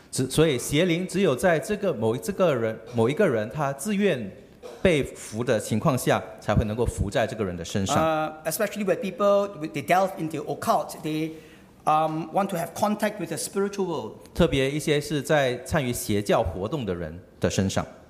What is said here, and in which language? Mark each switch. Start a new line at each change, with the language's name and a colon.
Chinese: 所以邪灵只有在这个某一个人他自愿被附的情况下才会能够附在这个人的身上。
English: Especially when people they delve into occult, they want to have contact with the spiritual world.
Chinese: 特别一些是在参与邪教活动的人的身上。